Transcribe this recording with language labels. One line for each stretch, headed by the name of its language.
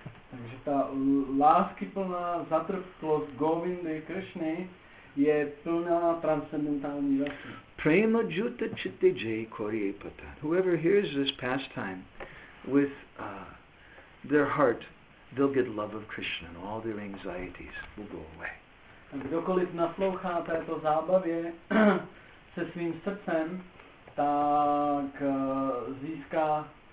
Czech: Takže ta láskyplná zatrpklost Govindy Krishny je plná transcendentální rasa.
Bangla: Prema jutta chitte jay koriye pata.
English: Whoever hears this pastime with their heart, they'll get love of Krishna and all their anxieties will go away.
Czech: Kdokoliv naslouchá této zábavě se svým srdcem, tak získá